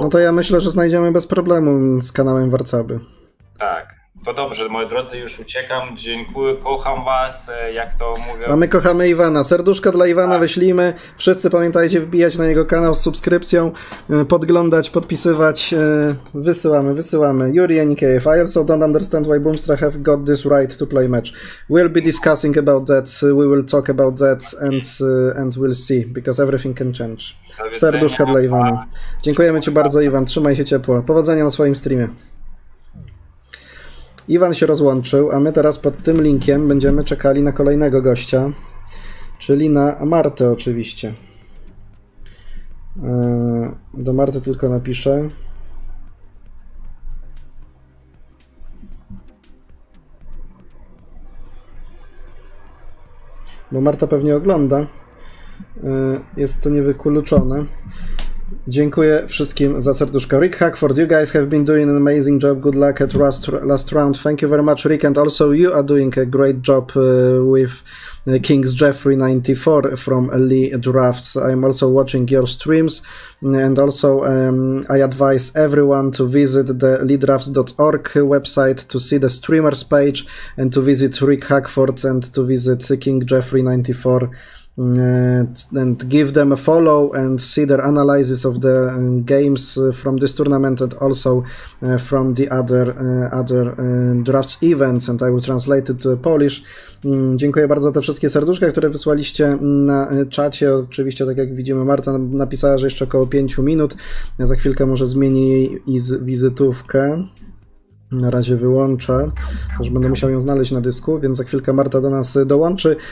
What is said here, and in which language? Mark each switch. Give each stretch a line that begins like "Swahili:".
Polish: No to ja myślę, że znajdziemy bez problemu z kanałem Warcaby. Tak, to dobrze, moi drodzy, już uciekam. Dziękuję, kocham was, jak to mówię. A my kochamy Iwana. Serduszko dla Iwana, tak. Wyślijmy. Wszyscy pamiętajcie wbijać na jego kanał z subskrypcją, podglądać, podpisywać. Wysyłamy, wysyłamy.
English: Yuri NKF, I also don't understand why Boomstrah have got this right to play match. We'll be discussing about that, we will talk about that and we'll see, because everything can change.
Polish: Serduszko dla Iwana. Dziękujemy ci bardzo, Iwan. Trzymaj się ciepło. Powodzenia na swoim streamie. Iwan się rozłączył, a my teraz pod tym linkiem będziemy czekali na kolejnego gościa, czyli na Martę oczywiście. Do Marty tylko napiszę. Bo Marta pewnie ogląda. Jest to niewykluczone. Dziękuję wszystkim za serduszko.
English: Rick Hackford, you guys have been doing an amazing job. Good luck at last round. Thank you very much, Rick. And also you are doing a great job with King's Jeffrey 94 from Lee Drafts. I'm also watching your streams. And also I advise everyone to visit the leedrafts.org website to see the streamers page and to visit Rick Hackford and to visit King Jeffrey 94. And give them a follow and see their analysis of the games from this tournament and also from the other drafts events, and I will translate it to Polish.
Polish: Dziękuję bardzo za te wszystkie serduszka, które wysłaliście na czacie. Oczywiście, tak jak widzimy, Marta napisała, że jeszcze około 5 minut. Ja za chwilkę może zmienię jej wizytówkę. Na razie wyłączę, że będę musiał ją znaleźć na dysku, więc za chwilkę Marta do nas dołączy.